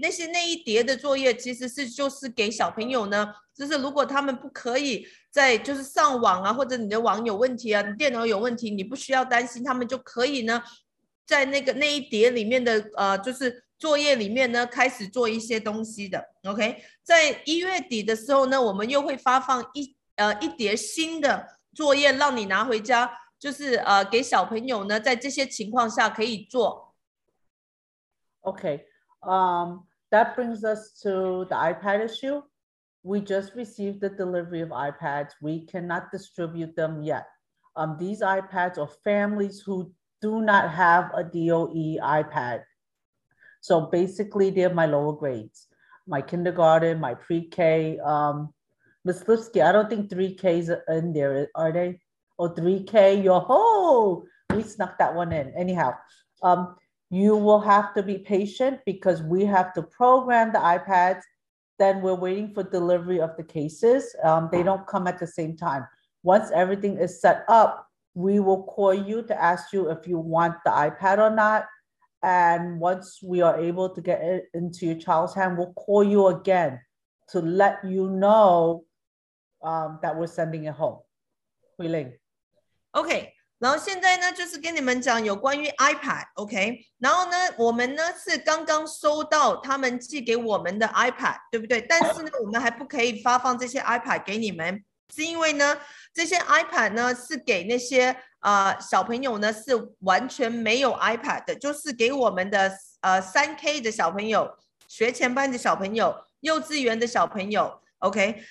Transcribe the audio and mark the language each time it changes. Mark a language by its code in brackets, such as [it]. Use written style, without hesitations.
[zh] 那一叠的作业其实是就是给小朋友呢，就是如果他们不可以在就是上网啊，或者你的网有问题啊，你电脑有问题，你不需要担心，他们就可以呢在那一叠里面的就是作业里面呢开始做一些东西的。 OK， 在一月底的时候呢，我们又会发放一叠新的作业让你拿回家。就是给小朋友呢在这些情况下可以做。 [en] Okay, that brings us to the iPad issue. We just received the delivery of iPads. We cannot distribute them yet. These iPads are families who do not have a DOE iPad. So basically they're my lower grades, my kindergarten, my pre-K. Ms. Lipsky, I don't think 3K is in there, are they? 3K, yo-ho, we snuck that one in. Anyhow, you will have to be patient because we have to program the iPads. Then we're waiting for delivery of the cases. They don't come at the same time. Once everything is set up, we will call you to ask you if you want the iPad or not. And once we are able to get it into your child's hand, we'll call you again to let you know that we're sending it home. Hui Ling. [zh] OK, 然后现在呢，就是跟你们讲有关于 iPad， OK？然后呢，我们呢是刚刚收到他们寄给我们的 iPad， 对不对？但是呢，我们还不可以发放这些 iPad 给你们，是因为呢，这些 iPad 呢是给那些小朋友呢是完全没有 iPad 的，就是给我们的3K 的小朋友、学前班的小朋友、幼稚园的小朋友， OK？